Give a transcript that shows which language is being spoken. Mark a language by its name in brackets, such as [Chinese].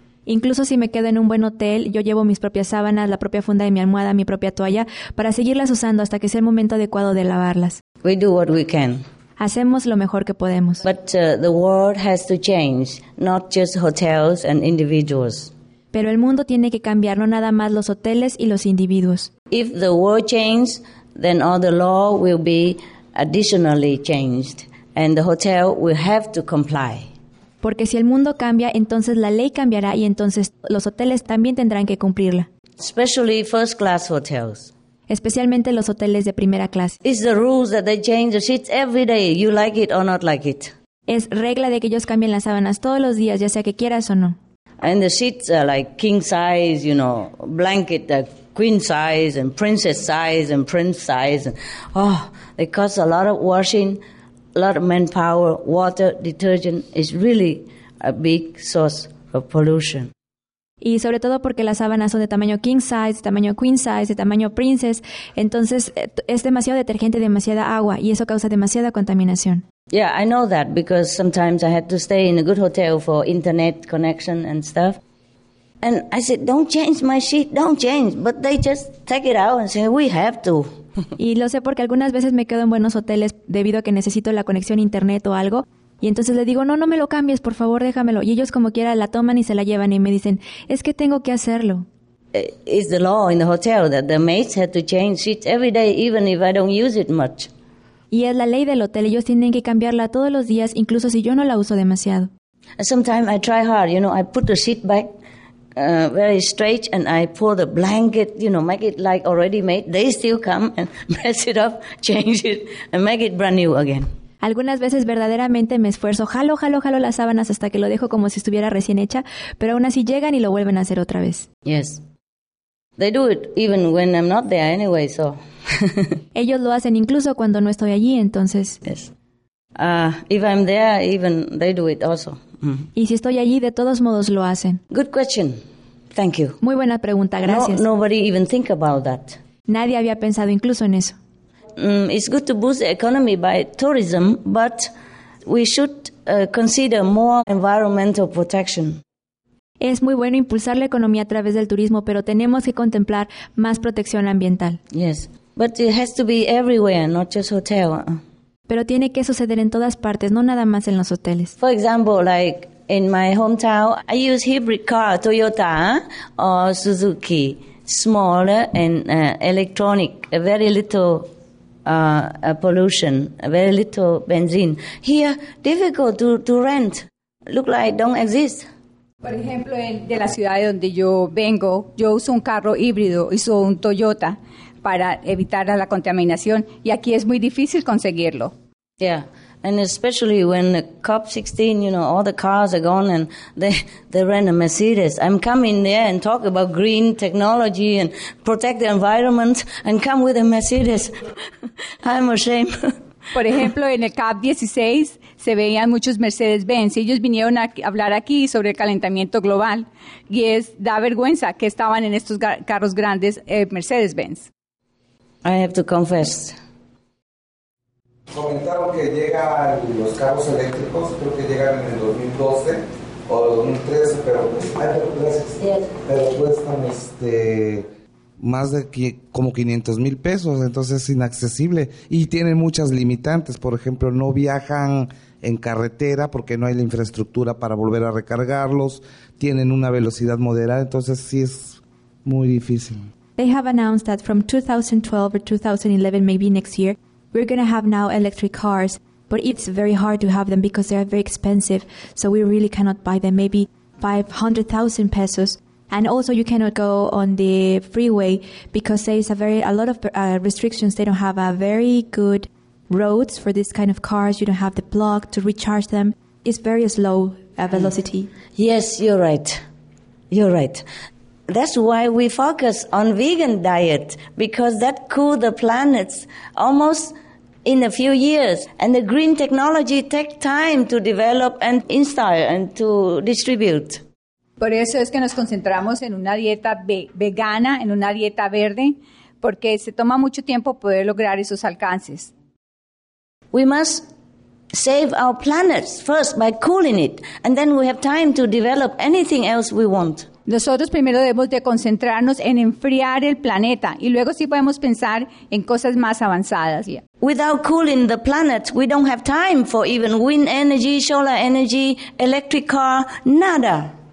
[Spanish] Incluso si me quedo en un buen hotel, yo llevo mis propias sábanas, la propia funda de mi almohada, mi propia toalla, para seguirlas usando hasta que sea el momento adecuado de lavarlas. [English] We do what we can. [Spanish] Hacemos lo mejor que podemos. [English] But the world has to change, not just hotels and individuals. [Spanish] Pero el mundo tiene que cambiar, no nada más los hoteles y los individuos. [English] If the world changes, then all the law will be additionally changed, and the hotel will have to comply. [Spanish] Porque si el mundo cambia, entonces la ley cambiará y entonces los hoteles también tendrán que cumplirla. [English] Especially first class hotels. [Spanish] Especialmente los hoteles de primera clase. [English] It's the rules that they change the sheets every day, you like it or not like it. [Spanish] Es regla de que ellos cambien las sábanas todos los días, ya sea que quieras o no. [English] And the sheets are like king size, you know, blanket, queen size and princess size and prince size. Oh, they cost a lot of washing. A lot of manpower, water, detergent is really a big source of pollution. [Spanish] Y sobre todo porque las sábanas son de tamaño king size, de tamaño queen size, de tamaño princess, entonces es demasiado detergente, demasiada agua, y eso causa demasiada contaminación. [English] Yeah, I know that because sometimes I had to stay in a good hotel for internet connection and stuff. And I said, don't change my sheet, don't change. But they just take it out and say, we have to. [Spanish] Y lo sé porque algunas veces me quedo en buenos hoteles debido a que necesito la conexión a internet o algo. Y entonces le digo, no me lo cambies, por favor, déjamelo. Y ellos como quiera la toman y se la llevan y me dicen, es que tengo que hacerlo. [English] It's the law in the hotel that the maids have to change sheets every day, even if I don't use it much. [Spanish] Y es la ley del hotel, ellos tienen que cambiarla todos los días, incluso si yo no la uso demasiado. [English] Sometimes I try hard, you know, I put the sheet back. Very straight, and I pull the blanket, you know, make it like already made. They still come and mess it up, change it, and make it brand new again. [Spanish] Algunas veces verdaderamente me esfuerzo, jalo las sábanas hasta que lo dejo como si estuviera recién hecha, pero aún así llegan y lo vuelven a hacer otra vez. [English] Yes. They do it even when I'm not there anyway, so. [Spanish] Ellos lo hacen incluso cuando no estoy allí, entonces. [English] Yes. If I'm there, even they do it also. [Spanish] Y si estoy allí, de todos modos lo hacen. [English] Good question. Thank you. [Spanish] Muy buena pregunta, gracias. [English] No, nobody even think about that. [Spanish] Nadie había pensado incluso en eso. [English] It's good to boost the economy by tourism, but we should consider more environmental protection. [Spanish] Es muy bueno impulsar la economía a través del turismo, pero tenemos que contemplar más protección ambiental. [English] Yes, but it has to be everywhere, not just hotel. [Spanish] Pero tiene que suceder en todas partes, no nada más en los hoteles. [English] For example, like in my hometown, I use hybrid car, Toyota or Suzuki, smaller and electronic, very little pollution, very little benzene. Here, difficult to rent, look like don't exist. [Spanish] Por ejemplo, de la ciudad de donde yo vengo, yo uso un carro híbrido, uso un Toyota, para evitar la contaminación, y aquí es muy difícil conseguirlo. [English] Yeah, and especially when the COP16, you know, all the cars are gone and they rent a Mercedes. I'm coming there and talk about green technology and protect the environment and come with a Mercedes. I'm ashamed. [Spanish] Por ejemplo, en el COP16 se veían muchos Mercedes-Benz. Ellos vinieron a hablar aquí sobre el calentamiento global y es da vergüenza que estaban en estos carros grandes Mercedes-Benz. [English] I have to confess. [Spanish] Comentaron que llegan los carros eléctricos, creo que llegan en el 2012 o 2013, pero cuestan más de como 500 mil pesos, entonces es inaccesible. Y tienen muchas limitantes, por ejemplo, no viajan en carretera porque no hay la infraestructura para volver a recargarlos, tienen una velocidad moderada, entonces sí es muy difícil. [English] They have announced that from 2012 or 2011, maybe next year, we're going to have now electric cars, but it's very hard to have them because they are very expensive, so we really cannot buy them, maybe 500,000 pesos. And also you cannot go on the freeway because there is a lot of restrictions. They don't have a very good roads for this kind of cars. You don't have the plug to recharge them. It's very slow velocity. Yes, you're right. You're right. That's why we focus on vegan diet, because that cool the planets almost in a few years. And the green technology take time to develop and install and to distribute. [Spanish] Por eso es que nos concentramos en una dieta vegana, en una dieta verde, porque se toma mucho tiempo poder lograr esos alcances. [English] We must save our planet first by cooling it, and then we have time to develop anything else we want. [Spanish] Nosotros primero debemos de concentrarnos en enfriar el planeta y luego sí podemos pensar en cosas más avanzadas. [English] Without cooling the planet, we don't have time for even wind energy, solar energy, electric car, [Spanish] nada.